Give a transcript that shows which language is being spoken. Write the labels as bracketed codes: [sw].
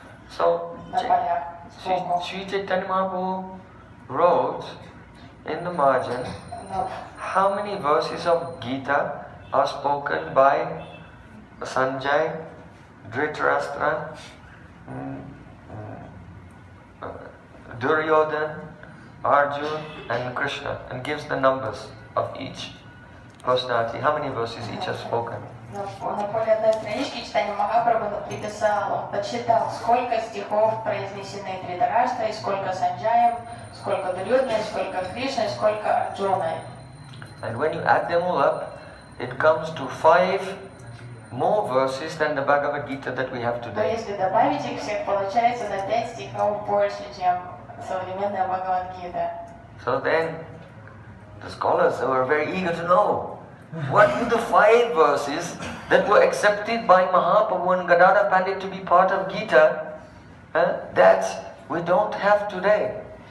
[en] So, Sri Chaitanya Mahaprabhu wrote in the margin how many verses of Gita are spoken by Sanjay, Dhritarashtra, Duryodhan, Arjuna and Krishna, and gives the numbers of each personality, how many verses each has spoken. [ru] На поле одной странички читания Махапрабху написал, он подсчитал, сколько стихов произнесены Дхритарашта, и сколько Санджая, сколько Дурьодхана, сколько Кришна, и сколько Арджуна. [en] And when you add them all up, it comes to 5 more verses than the Bhagavad Gita that we have today. [ru] То если добавить их всех, получается на 5 стихов больше, чем современная Бхагавад Гита. [en] So then, the scholars were very eager to know, what were the 5 verses that were accepted by Mahaprabhu and Gadadhar Pandit to be part of Gita that we don't have today?